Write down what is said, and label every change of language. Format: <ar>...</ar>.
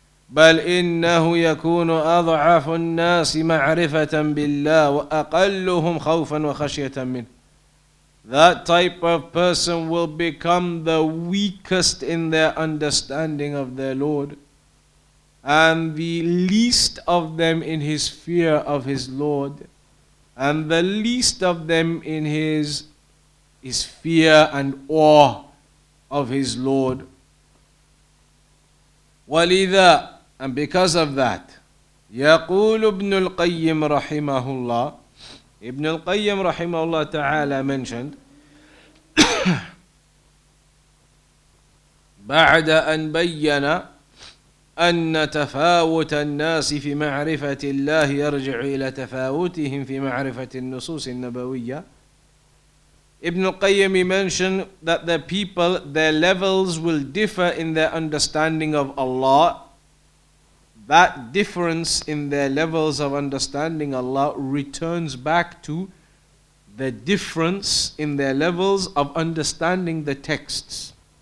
<ar>بَلْ إِنَّهُ يَكُونُ أَضْعَفُ النَّاسِ مَعْرِفَةً بِاللَّهِ وَأَقَلُّهُمْ خَوْفًا وَخَشْيَةً مِنْهِ</ar> <en>That type of person will become the weakest in their understanding of their Lord. And the least of them in his fear of his Lord, and the least of them in his fear and awe of his Lord.</en> <ar>وَلِذَا</ar> <en>And because of that,</en> <ar>يَقُولُ ابْنُ الْقَيِّمِ رَحِمَهُ اللَّهِ Ibn al-Qayyim رَحِمَهُ اللَّهِ تَعَالَى</ar> <en>mentioned,</en> <ar>بَعْدَ أَنْ بَيَّنَ أن تفاوت الناس في معرفة الله يرجع إلى تفاوتهم في معرفة النصوص النبوية.</ar> <en>Ibn al-Qayyim mentioned that the people, their levels will differ in their understanding of Allah. That difference in their levels of understanding Allah returns back to the difference in their levels of understanding the texts.</en>